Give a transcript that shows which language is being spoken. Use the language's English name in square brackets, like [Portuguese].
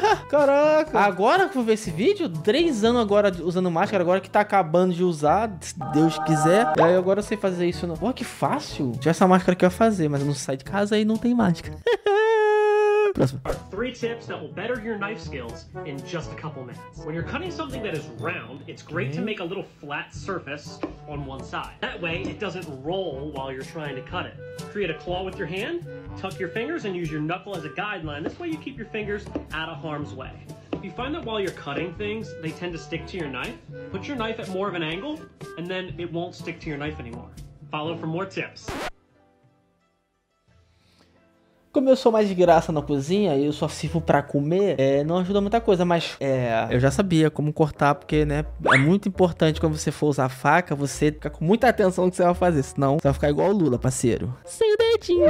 [Portuguese] Caraca! Agora que eu vou ver esse vídeo, 3 anos agora usando máscara, agora que tá acabando de usar, se Deus quiser. E aí agora eu sei fazer isso. Pô, que fácil! Tinha essa máscara que eu ia fazer, mas eu não saio de casa e não tem máscara. Próximo. [English] Are 3 tips that will better your knife skills in just a couple minutes. When you're cutting something that is round, it's great to make a little flat surface on one side. That way, it doesn't roll while you're trying to cut it. Create a claw with your hand, tuck your fingers, and use your knuckle as a guideline. This way, you keep your fingers out of harm's way. If you find that while you're cutting things, they tend to stick to your knife, put your knife at more of an angle, and then it won't stick to your knife anymore. Follow for more tips. [Portuguese] Como eu sou mais de graça na cozinha e eu só sirvo pra comer, não ajuda muita coisa, mas eu já sabia como cortar, porque, né, é muito importante quando você for usar a faca, você fica com muita atenção no que você vai fazer, senão você vai ficar igual o Lula, parceiro. Sem o dedinho.